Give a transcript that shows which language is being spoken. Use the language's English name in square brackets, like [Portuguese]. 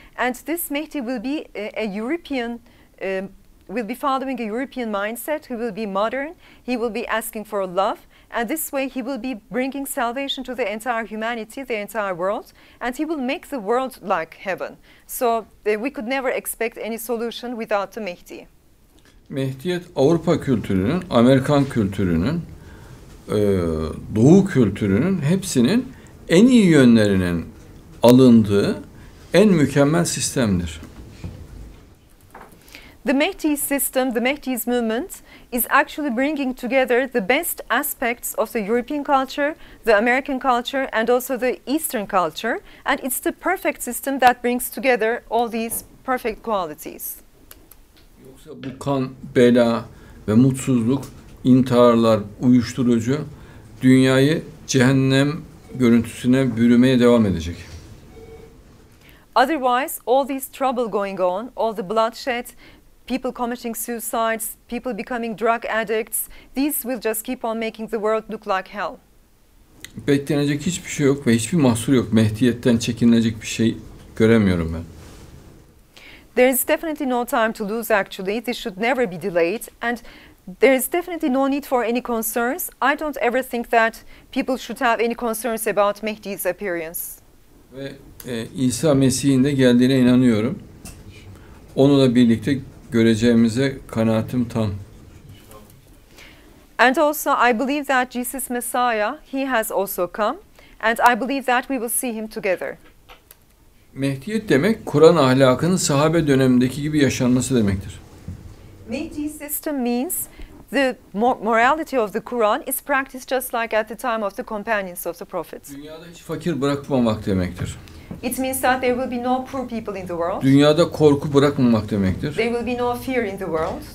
[English] And this Mehdi will be a European, will be following a European mindset, he will be modern, he will be asking for love, and this way he will be bringing salvation to the entire humanity, the entire world, and he will make the world like heaven. So we could never expect any solution without the Mehdi. [Turkish] Mehdiyet, Avrupa kültürünün, Amerikan kültürünün, Doğu kültürünün, hepsinin en iyi yönlerinin alındığı en mükemmel sistemdir. [English] The Mehdi system, the Mehdi's movement, is actually bringing together the best aspects of the European culture, the American culture, and also the Eastern culture. And it's the perfect system that brings together all these perfect qualities. [Turkish] Yoksa bu kan, bela ve mutsuzluk, intiharlar, uyuşturucu, dünyayı cehennem görüntüsüne bürümeye devam edecek. [English] Otherwise, all these trouble going on, all the bloodshed, people committing suicides, people becoming drug addicts, these will just keep on making the world look like hell. [Turkish] Beklenecek hiçbir şey yok ve hiçbir mahsur yok. Mehdiyetten çekinilecek bir şey göremiyorum ben. [English] There is definitely no time to lose actually. This should never be delayed. And there is definitely no need for any concerns. I don't ever think that people should have any concerns about Mehdi's appearance. [Turkish] Ve İsa Mesih'in de geldiğine inanıyorum. Onunla birlikte göreceğimize kanaatim tam. [English] And also I believe that Jesus Messiah, he has also come, and I believe that we will see him together. [Turkish] Mehdiyet demek Kur'an ahlakının sahabe dönemindeki gibi yaşanması demektir. [English] Mehdi system means the morality of the Quran is practiced just like at the time of the companions of the prophets. [Turkish] Dünyada hiç fakir bırakmamak demektir. [English] It means that there will be no poor people in the world. [Turkish] Dünyada korku bırakmamak demektir. [English] There will be no fear in the world.